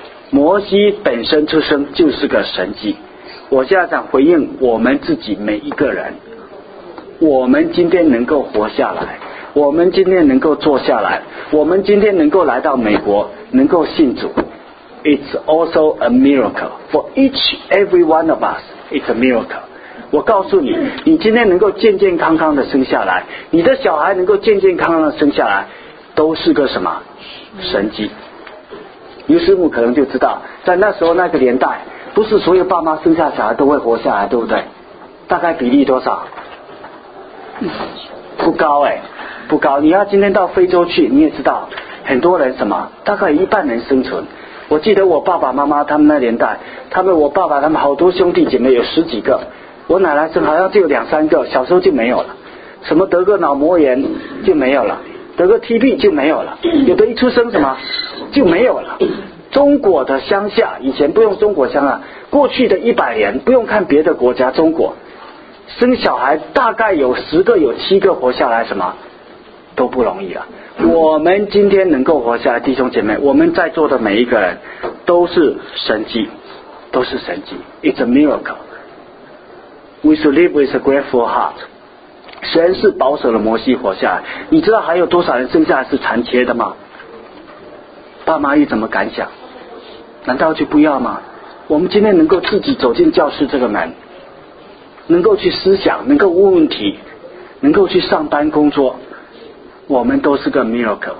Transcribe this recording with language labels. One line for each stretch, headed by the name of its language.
Chinese: 摩西本身出生就是个神迹。我现在想回应我们自己每一个人，我们今天能够活下来，我们今天能够坐下来，我们今天能够来到美国，能够信主，
English: It's also a miracle. For each, every one of us, it's a miracle.
Chinese: 我告诉你，你今天能够健健康康的生下来，你的小孩能够健健康康的生下来，都是个什么？神迹。于师母可能就知道，在那时候那个年代，不是所有爸妈生下小孩都会活下来，对不对？大概比例多少？不高哎，不高。你要今天到非洲去，你也知道，很多人什么？大概一半人生存。我记得我爸爸妈妈他们那年代，他们我爸爸他们好多兄弟姐妹有十几个，我奶奶生好像就有两三个，小时候就没有了，什么得个脑膜炎就没有了，得个 TB 就没有了，有的一出生什么就没有了。中国的乡下，以前不用中国乡啊，过去的一百年不用看别的国家，中国生小孩大概有十个有七个活下来，什么都不容易了。我们今天能够活下来，弟兄姐妹，我们在座的每一个人都是神迹，都是神迹。
English: It's a miracle. We should live with a grateful heart.
Chinese: 神是保守了摩西活下来。你知道还有多少人生下来是残缺的吗？爸妈又怎么敢想？难道就不要吗？我们今天能够自己走进教室这个门，能够去思想，能够问问题，能够去上班工作，我们都是个 miracle。